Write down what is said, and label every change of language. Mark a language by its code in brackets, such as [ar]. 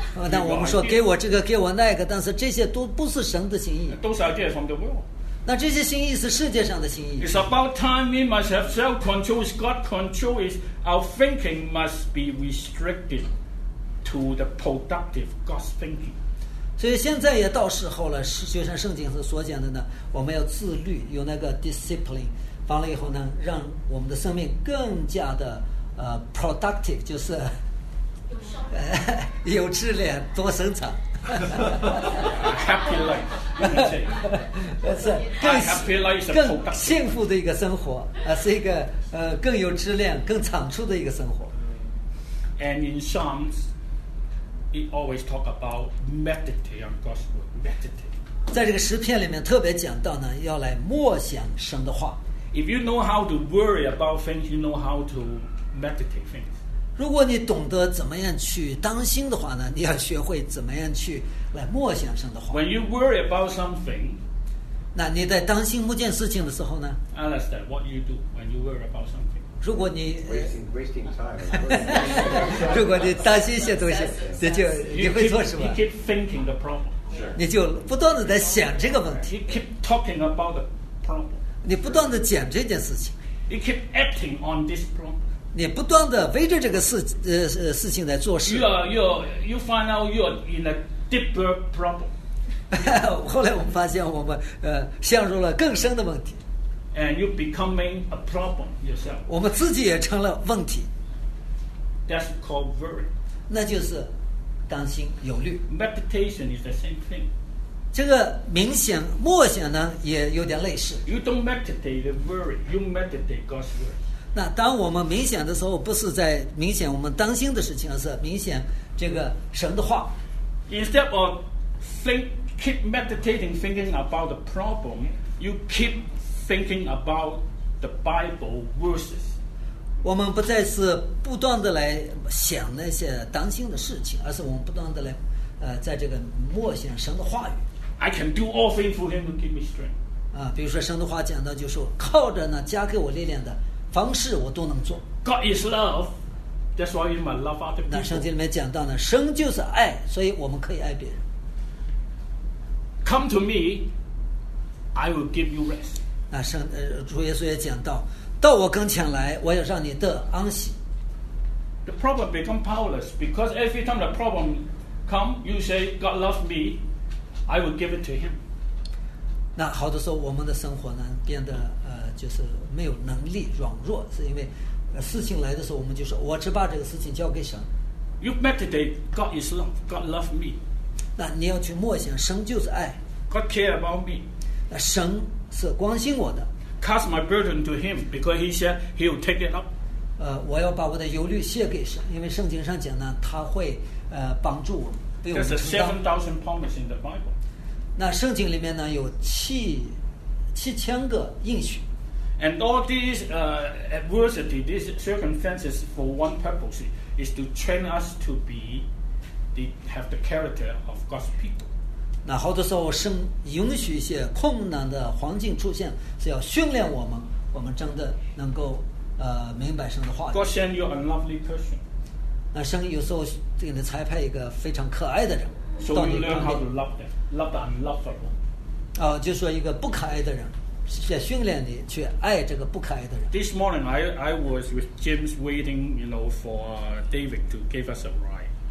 [zh] 那我们说给我这个，给我那个，但是这些都不是神的心意。 [en] Those ideas from the world. [zh] 那这些心意是世界上的心意。 [en] It's about time we must have self-control. It's God control. It's our thinking must be restricted to the productive God's thinking. [zh] 所以现在也到时候了，就像圣经所讲的呢，我们要自律，有那个 discipline， 完了以后呢，让我们的生命更加的productive， 就是有质量，多生产。 [en] Happy life， [zh] 是 [en] 更 happy life， [zh] 更幸福的一个生活，是一个更有质量、更产出的一个生活。 [en] And in Psalms. It always talk about meditate on God's word. Meditate. [zh] 在这个诗篇里面特别讲到呢，要来默想神的话。 [en] If you know how to worry about things, you know how to meditate things. [zh] 如果你懂得怎么样去当心的话呢，你要学会怎么样去来默想神的话。 [en] When you worry about something, [zh] 那你在当心某件事情的时候呢 [en] ？Alistair, what you do when you worry about something? [zh] 如果你 [en] wasting [zh] time， 如果你担心一些东西，你就你会做什么 [en] ？You keep thinking the problem， [zh] 你就不断的在想这个问题。 [en] You keep talking about the problem， [zh] 你不断的讲这件事情。 [en] You keep acting on this problem， [zh] 你不断的围着这个事情在做事。 [en] You find out you are in a deeper problem， [zh] 后来我们发现我们陷入了更深的问题。 [en] And you becoming a problem yourself. [zh] 我们自己也成了问题。 [en] That's called worry. [zh] 那就是担心忧虑。 [en] Meditation is the same thing. [zh] 这个冥想默想呢也有点类似。 [en] You don't meditate the worry. You meditate God's word. [zh] 那当我们冥想的时候，不是在冥想我们担心的事情，而是冥想这个神的话。 [en] Instead of keep meditating, thinking about the problem, you keep thinking about the Bible verses. [zh] 我们不再是不断的来想那些担心的事情，而是我们不断的来在这个默想神的话语。 [en] I can do all things for him who give me strength. [zh] 比如说神的话讲到，就是靠着呢加给我力量的，凡事我都能做。 [en] God is love. That's why you must love other people. [zh] 那圣经里面讲到呢，神就是爱，所以我们可以爱别人。 [en] Come to me, I will give you rest. [zh] 那主耶稣也讲到，到我跟前来，我要让你得安息。 [en] The problem become powerless, because every time the problem come, you say, God loves me, I will give it to him. [zh] 那好多时候我们的生活呢变得就是没有能力，软弱，是因为事情来的时候我们就说，我只把这个事情交给神。 [en] You meditate, God is love, God loves me. [zh] 那你要去默想，神就是爱。 [en] God care about me. [zh] 那神是关心我的。 [en] Cast my burden to him, because he said he will take it up. [zh] 我要把我的忧虑卸给神，因为圣经上讲呢，他会帮助我，为我们承担。 [en] There's a 7,000 promise in the Bible. [zh] 那圣经里面呢有7,000个应许。 [en] And all these adversity, these circumstances, for one purpose is to train us to be the have the character of God's people. [zh] 那好多时候神允许一些困难的环境出现，是要训练我们，我们真的能够明白神的话语。 [en] God send you a lovely person. [zh] 那神有时候给你差派一个非常可爱的人。 [en] So you learn how to love them, love the unlovable. [zh] 就说一个不可爱的人，先训练你去爱这个不可爱的人。 [en] This morning I was with James waiting, you know, for David to give us a ride.